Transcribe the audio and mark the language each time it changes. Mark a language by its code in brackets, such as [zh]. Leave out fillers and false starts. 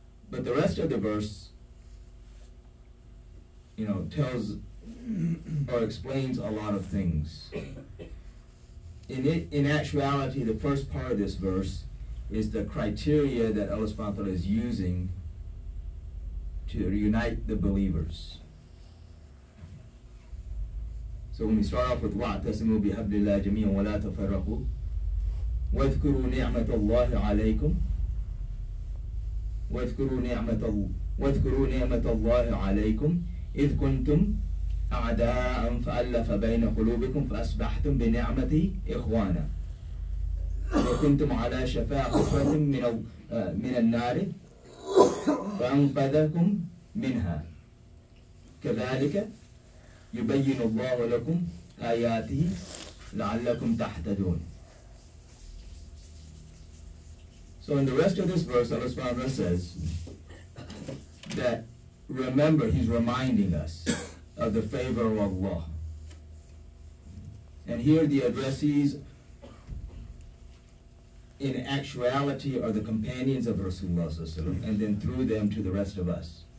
[en] But the rest of the verse, you know, tells or explains a lot of things. In it, in actuality, the first part of this verse is the criteria that Allah subhanahu wa ta'ala is using to reunite the believers. So when we start off with [ar] وَاعْتَسِمُوا بِحَبْلِ اللَّهِ جَمِيعًا وَلَا تَفَرَّقُوا وَاذْكُرُوا نِعْمَةَ اللَّهِ عَلَيْكُمْ وَاذْكُرُوا نِعْمَةَ اللَّهِ عَلَيْكُمْ إِذْ كُنْتُمْ أَعْدَاءً فَأَلَّفَ بَيْنَ قُلُوبِكُمْ فَأَصْبَحْتُمْ بِنِعْمَتِهِ إِخْوَانًا وَكُنْتُمْ عَلَى شَفَا حُفْرَةٍ مِنَ النَّارِ فَأَنْقَذَكُمْ مِنْهَا كَذَلِكَ يُبَيِّنُ اللَّهُ لَكُمْ آيَاتِهِ لَعَلَّكُمْ تَحْتَدُونَ. [en] So in the rest of this verse, Allah subhanahu wa ta'ala says that remember, he's reminding us of the favor of Allah. And here the addressees in actuality are the companions of Rasulullah sallallahu alayhi wa sallam, and then through them to the rest of us.